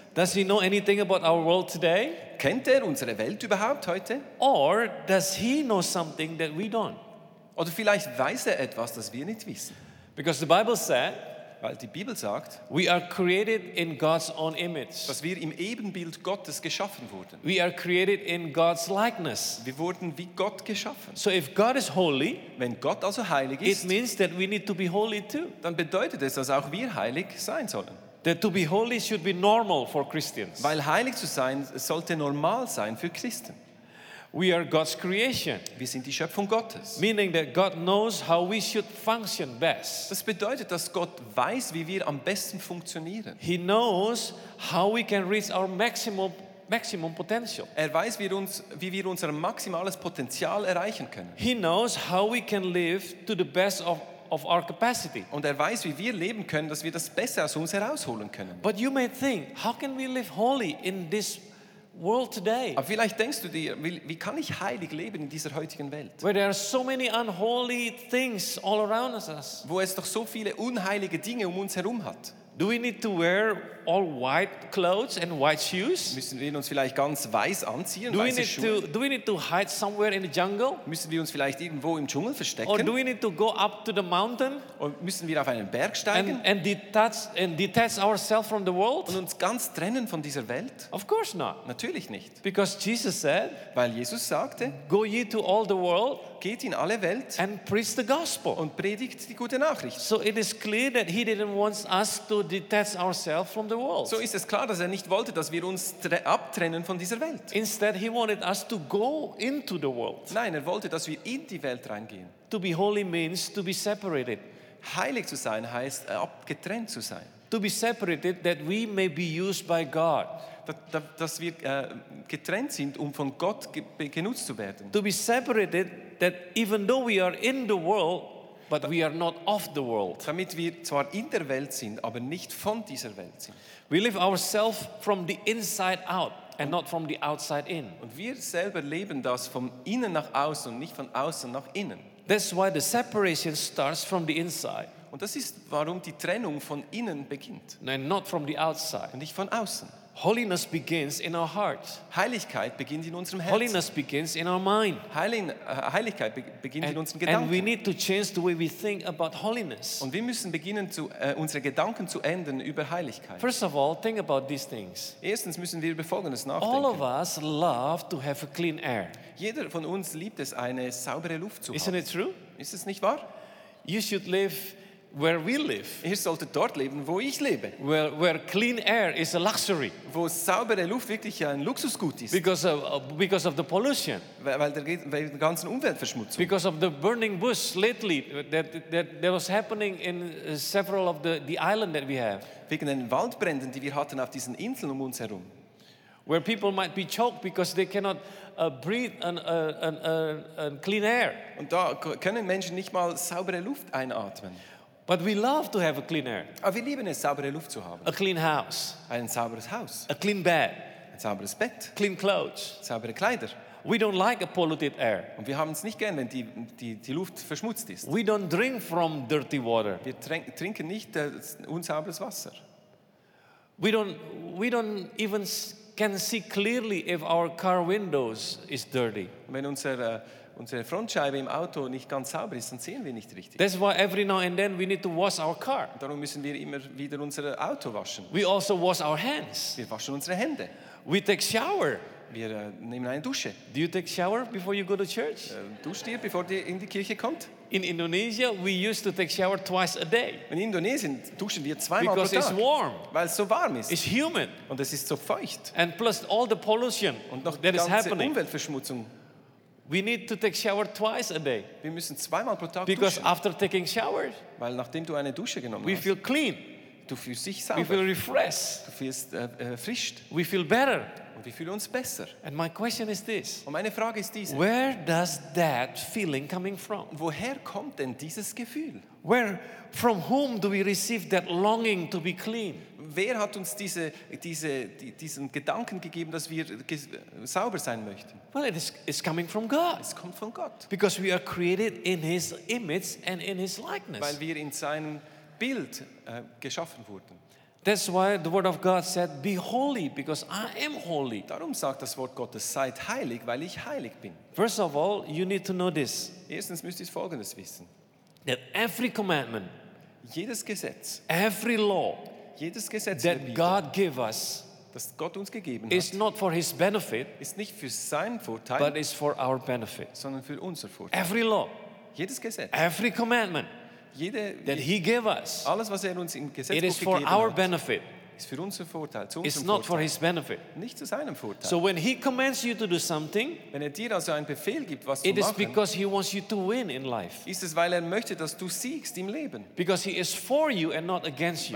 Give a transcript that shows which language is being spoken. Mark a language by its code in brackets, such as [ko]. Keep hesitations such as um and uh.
[en] Does he know anything about our world today? [de] Kennt er unsere Welt überhaupt heute? [en] Or does he know something that we don't? [de] Oder vielleicht weiß er etwas, das wir nicht wissen? [en] Because the Bible said, [de] Weil die Bibel sagt, [en] we are created in God's own image. [de] dass wir im Ebenbild Gottes geschaffen wurden. [en] We are created in God's likeness. [de] Wir wurden wie Gott geschaffen. [en] So if God is holy, [de] wenn Gott also heilig [en] it ist, it means that we need to be holy too. [de] dann bedeutet es, dass auch wir heilig sein sollen. [en] That to be holy should be normal for Christians. [de] Weil heilig zu sein sollte normal sein für Christen. [en] We are God's creation. [de] Wir sind die Schöpfung Gottes. [en] Meaning that God knows how we should function best. [de] Das bedeutet, dass Gott weiß, wie wir am besten funktionieren. [en] He knows how we can reach our maximum maximum potential. [de] Er weiß, wie wir, uns, wie wir unser maximales Potenzial erreichen können. [en] He knows how we can live to the best of of our capacity. [de] Und er weiß, wie wir leben können, dass wir das Beste aus uns herausholen können. [en] But you may think, how can we live holy in this world today. [de] Aber vielleicht denkst du dir, wie, wie kann ich heilig leben in dieser heutigen Welt? [en] Where there are so many unholy things all around us. [de] Wo es doch so viele unheilige Dinge um uns herum hat. [en] Do we need to wear all white clothes and white shoes? [de] Müssen wir uns vielleicht ganz weiß anziehen, do weiße Schuhe? [en] To, do we need to hide somewhere in the jungle? [de] Müssen wir uns vielleicht irgendwo im Dschungel verstecken? [en] Or do we need to go up to the mountain? [de] Und müssen wir auf einen Berg steigen? [en] And, and detach and detach ourselves from the world? [de] Und uns ganz trennen von dieser Welt? [en] Of course not. [de] Natürlich nicht. [en] Because Jesus said, [de] weil Jesus sagte, [en] go ye to all the world geht in the world? and preach the gospel [de] und predigt die gute Nachricht. [en] So it is clear that he didn't want us to detach ourselves from the world? [de] So ist es klar, dass er nicht wollte, dass wir uns abtrennen von dieser Welt. [en] Instead, he wanted us to go into the world. [de] Nein, er wollte, dass wir in die Welt reingehen. [en] To be holy means to be separated. [de] Heilig zu sein heißt abgetrennt zu sein. [en] To be separated that we may be used by God. [de] Dass wir getrennt sind, um von Gott genutzt zu werden. [en] To be separated that even though we are in the world, But we are not of the world. [de] Damit wir zwar in der Welt sind, aber nicht von dieser Welt sind. [en] We live ourselves from the inside out and not from the outside in. [de] Und wir selber leben das von innen nach außen und nicht von außen nach innen. [en] That's why the separation starts from the inside. [de] Und das ist warum die Trennung von innen beginnt. [en] Nein, not from the outside. [de] Und nicht von außen. [en] Holiness begins in our heart. [de] Heiligkeit beginnt in unserem Herzen. [en] Holiness begins in our mind. [de] Heiligkeit beginnt in unseren Gedanken. [en] And we need to change the way we think about holiness. [de] Und wir müssen beginnen unsere Gedanken zu ändern über Heiligkeit. [en] First of all, think about these things. [de] Erstens müssen wir über folgendes nachdenken. [en] All of us love to have clean air. [de] Jeder von uns liebt es eine saubere Luft zu haben. [en] Isn't it true? [de] Ist es nicht wahr? [en] You should live where we live. [de] Ihr solltet dort leben, wo ich lebe. [en] Where, clean air is a luxury. [de] Wo saubere Luft wirklich ein Luxusgut ist. [en] Because of, the pollution. [de] Weil der, weil der ganzen Umweltverschmutzung. [en] Because of the burning bush lately that, that, that was happening in uh, several of the, the islands that we have. [de] Wegen den Waldbränden, die wir hatten auf diesen Inseln um uns herum. [en] Where people might be choked because they cannot uh, breathe an, uh, an clean air. [de] Und da können Menschen nicht mal saubere Luft einatmen. [en] But we love to have a clean air. [de] Aber wir lieben es, saubere Luft zu haben. [en] A clean house. [de] Ein sauberes Haus. [en] A clean bed. [de] Ein sauberes Bett. [en] Clean clothes. [de] Saubere Kleider. [en] We don't like a polluted air. [de] Und wir haben es nicht gern, wenn die, die, die Luft verschmutzt ist. [en] We don't drink from dirty water. [de] Wir trink, trinken nicht unsauberes Wasser. [en] We don't, we don't even can see clearly if our car windows is dirty. [de] Wenn unser, unsere Frontscheibe im Auto nicht ganz sauber ist, dann sehen wir nicht richtig. [en] every now and then we need to wash our car. [de] Darum müssen wir immer wieder unser Auto waschen. [en] We also wash our hands. [de] Wir waschen unsere Hände. [en] We take shower. [de] Wir nehmen eine Dusche. [en] Do you take shower before you go to church? [de] Uh, duscht ihr bevor ihr in die Kirche kommt? [en] In Indonesia we used to take shower twice a day. [de] In Indonesien duschen wir zweimal pro Tag. [en] Because it's warm. [de] Weil es so warm ist. [en] It's humid. [de] Und es ist so feucht. [en] And plus all the pollution. [de] Und noch that die ganze Umweltverschmutzung. [en] We need to take shower twice a day. [de] Wir müssen zweimal pro Tag [en] Because duschen. after taking shower, [de] weil nachdem du eine Dusche genommen we hast, [en] feel clean. [de] Du fühlst dich sauber. [en] We feel refreshed. [de] Du fühlst erfrischt. Uh, uh, [en] we feel better. [de] Und wir fühlen uns besser. [en] And my question is this. [de] Und meine Frage ist diese. [en] Where does that feeling coming from? [de] Woher kommt denn dieses Gefühl? [en] Where, from whom do we receive that longing to be clean? [de] Wer hat uns diese, diesen Gedanken gegeben, dass wir sauber sein möchten? [en] Well, it is, coming from God. [de] Es kommt von Gott. [en] Because we are created in His image and in His likeness. [de] Weil wir in seinem Bild geschaffen wurden. [en] That's why the Word of God said, "Be holy, because I am holy." [de] Darum sagt das Wort Gottes, seid heilig, weil ich heilig bin. [en] First of all, you need to know this. [de] Erstens müsst ihr Folgendes wissen. [en] that every commandment, [de] jedes Gesetz, [en] every law, [de] jedes Gesetz [en] that Bibel, God gave us, [de] das Gott uns gegeben hat, [en] is not for His benefit, [de] ist nicht für sein Vorteil, [en] but is for our benefit, [de] sondern für unser Vorteil. [en] Every law, [de] jedes Gesetz, [en] every commandment, jede, that He gave us, [de] alles was er uns im Gesetz gegeben hat, [en] it is for our benefit. [de] Hat ist [en] not For his benefit. [de] Nicht zu seinem Vorteil. [en] So when he commands you to do something, [de] wenn er dir also einen Befehl gibt, was zu machen, [en] is because he wants you to win in life. [de] ist es, weil er möchte, dass du siegst im Leben. [en] Because he is for you and not against you.